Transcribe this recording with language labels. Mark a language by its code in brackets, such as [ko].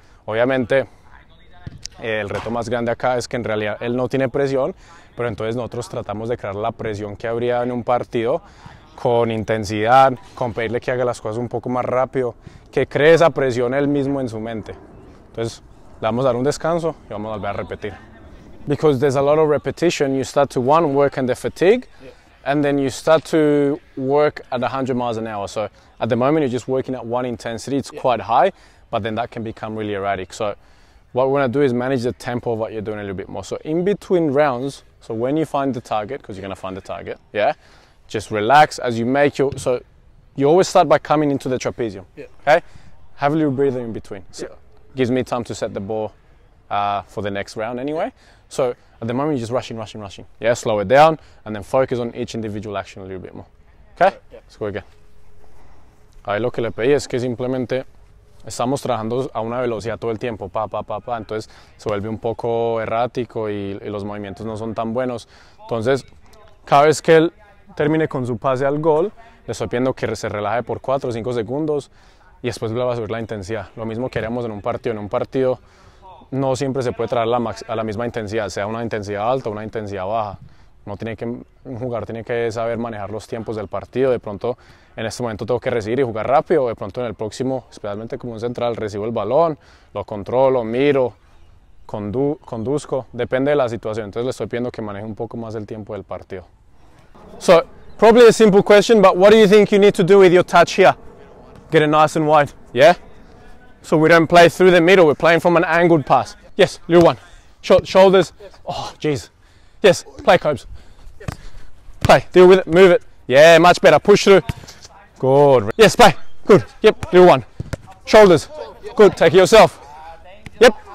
[es] Obviamente el reto más grande acá es que en realidad él no tiene presión, pero entonces nosotros tratamos de crear la presión que habría en un partido con intensidad, con pedirle que haga las cosas un poco más rápido, que cree esa presión él mismo en su mente. Entonces le vamos a dar un descanso y vamos a volver a repetir. [en] Because there's a lot of repetition, you start to one work on the fatigue, and then you start to work at 100 miles an hour. So at the moment you're just working at one intensity, it's quite high, but then that can become really erratic. So what we're gonna do is manage the tempo of what you're doing a little bit more. So in between rounds, so when you find the target, because you're gonna find the target, yeah, just relax as you make your, so you always start by coming into the trapezium, okay? Have a little breathing in between. So gives me time to set the ball for the next round anyway. So at the moment you're just rushing. Yeah, slow it down and then focus on each individual action a little bit more. Okay? Yeah. Let's go again. [es] Ahí lo que le pedí es que simplemente estamos trabajando a una velocidad todo el tiempo, pa. Entonces se vuelve un poco errático y los movimientos no son tan buenos. Entonces, cada vez que él termine con su pase al gol, le estoy pidiendo que se relaje por 4 o 5 segundos y después le va a subir la intensidad. Lo mismo que haríamos en un partido. En un partido no siempre se puede traer a la misma intensidad, sea una intensidad alta o una intensidad baja. Un jugador tiene que saber manejar los tiempos del partido. De pronto, en este momento tengo que recibir y jugar rápido. De pronto, en el próximo, especialmente como un central, recibo el balón, lo controlo, miro, conduzco. Depende de la situación. Entonces, le estoy pidiendo que maneje un poco más el tiempo del partido. [en] So, probably a simple question, but what do you think you need to do with your touch here? Get it nice and wide, yeah? So we don't play through the middle, we're playing from an angled pass. Yes, little one. Shoulders. Yes. Oh, jeez. Yes, play, Cobes. Yes. Play, deal with it, move it. Yeah, much better, push through. Good. Yes, play, good. Yep, little one. Shoulders. Good, take it yourself. Yep.